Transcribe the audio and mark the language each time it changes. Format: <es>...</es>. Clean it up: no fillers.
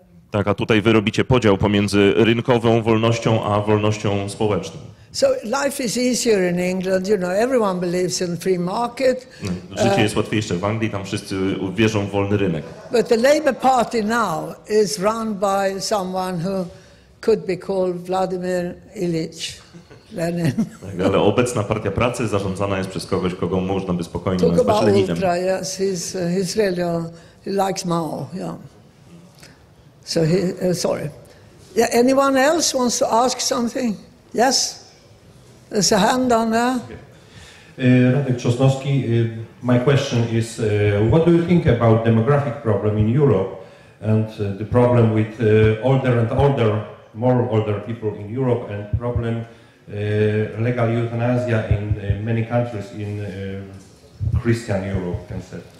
<pl>Tak, a tutaj wy robicie podział pomiędzy rynkową wolnością a wolnością społeczną.</pl> <en>So life is easier in England, you know, everyone believes in free market.</en> <pl>Życie jest łatwiejsze w Anglii, tam wszyscy wierzą w wolny rynek.</pl> <en>But the Labour Party now is run by someone who could be called Vladimir Ilyich Lenin.</en> <pl>Tak, ale obecna Partia Pracy zarządzana jest przez kogoś, kogo można by spokojnie</pl> <en>talk</en> <pl>nazwać</pl> <en>about</en> <pl>Leninem.</pl> <en>Ultra, yes, he's really, he likes Mao, yeah. So sorry. Yeah, anyone else wants to ask something? Yes? There's a hand on there. Radek Czosnowski, my question is, what do you think about demographic problem in Europe and the problem with older people in Europe and problem legal euthanasia in many countries in Christian Europe, can say?</en>